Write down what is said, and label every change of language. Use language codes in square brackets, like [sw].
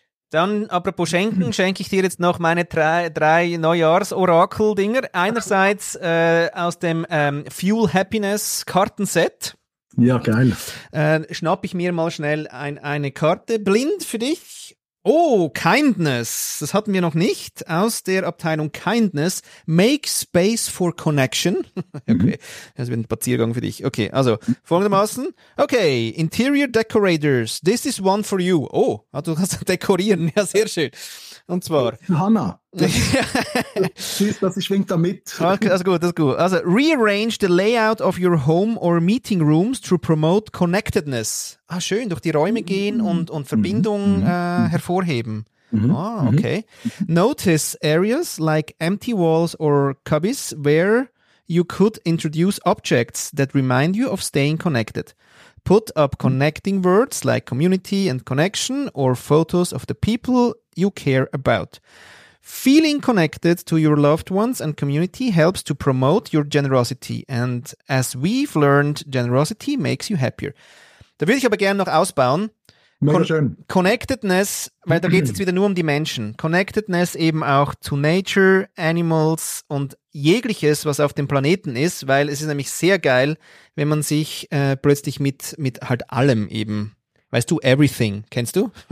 [de] Dann, apropos Schenken, schenke ich dir jetzt noch meine drei Neujahrs-Orakel-Dinger. Einerseits aus dem Fuel Happiness Kartenset. Ja, geil. Schnapp ich mir mal schnell eine Karte. Blind für dich. Oh, Kindness. Das hatten wir noch nicht. Aus der Abteilung Kindness. [en] Make space for connection. [de] Okay, das wird ein Spaziergang für dich. Okay, also folgendermaßen. [en] Okay, Interior Decorators. This is one for you. [de] Oh, also du kannst dekorieren. Ja, sehr schön. Und zwar. Hanna. Tschüss, das schwingt da mit. Okay, das ist gut. [en] Also, rearrange the layout of your home or meeting rooms to promote connectedness. [de] Ah, schön, durch die Räume gehen und Verbindung hervorheben. Mm-hmm. Ah, okay. Mm-hmm. [en] Notice areas like empty walls or cubbies where you could introduce objects that remind you of staying connected. Put up connecting words like community and connection or photos of the people you care about. Feeling connected to your loved ones and community helps to promote your generosity. And as we've learned, generosity makes you happier. [de] Da würde ich aber gerne noch ausbauen. Connectedness, weil da geht es jetzt wieder nur um die Menschen. Connectedness eben auch zu Nature, Animals und jegliches, was auf dem Planeten ist, weil es ist nämlich sehr geil, wenn man sich plötzlich mit halt allem eben, weißt du, everything, kennst du?